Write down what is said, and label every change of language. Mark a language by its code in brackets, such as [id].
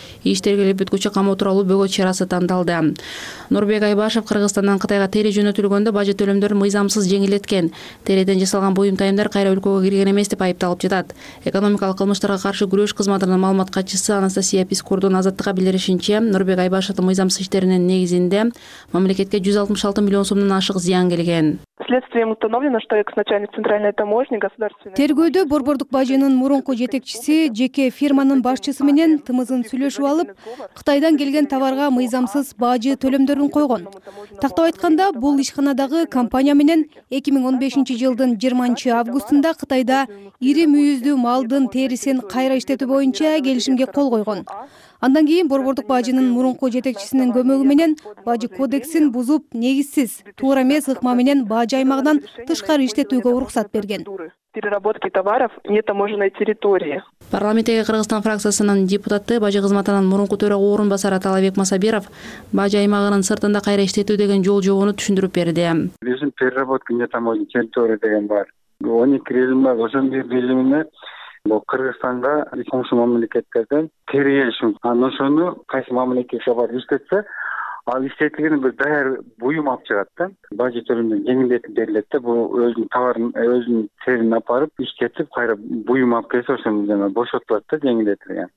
[ky] Иш тергелип бүткүчө камоо тууралуу бөгөт чарасы тандалды. Нурбек Айбашев Кыргызстандан Кытайга тери жөнөтүлгөндө бажы төлөмдөрүн мыйзамсыз жеңилдеткен, териден жасалган буюм тайымдар кайра өлкөгө кирген эмес деп айыпталып жатат. Экономикалык кылмыштарга каршы күрөш кызматынын маалымат катчысы Анастасия Пискурдун Азаттыкка билдиришинче, Нурбек Айбашевдин мыйзамсыз иштеринин негизинде мамлекетке 166 миллион сомдон ашык зыян келген. [ru] Следствием установлено, что экс-начальник Центральной таможни государственной... [ky] Тергөөдө Борбордук Бажинын мурунку жетекчиси, жеке фирманын башчысы менен тымызын сүйлөшүп алып, Кытайдан келген товарга мыйзамсыз бажы төлөмдөрүн койгон. Тактап айтканда, бул ишканадагы компания менен 2015 жылдын 20 августунда Кытайда ири мүйүздүү малдын терисин кайра иштетүү боюнча келишимге кол койгон. Андан кийин борбордук бажынын мурунку жетекчисинин көмөгү менен бажы кодексин бузуп, негизсиз, туура эмес ыкма менен бажы аймагынан тышкары иштетүүгө уруксат берген. [ru] Переработки товаров не таможенной территории. [ky] Парламенттеги Кыргызстан фракциясынын депутаты бажы кызматынан мурунку төрагы орун басары Талабек Масабиров бажы аймагынын сыртында кайра иштетүү деген жол-жобону түшүндүрүп берди. Биздин [ru] переработки не таможенной территории [ky] деген бар. 12 режим бар, ошон режимине бул Кыргызстанда кошумча мамлекеттерден тери келишим. Анан ошону кайсы мамлекетке барып иштетсе, ал иштетилген бир даяр буюм алып чыгат да. Бажы төлөмдөн жеңилдетип берилет да. Бул өзүнүн товарын, өзүнүн терин алып барып иштетип, кайра буюм алып келсе ошону жана бошотулат да, жеңилдетилген.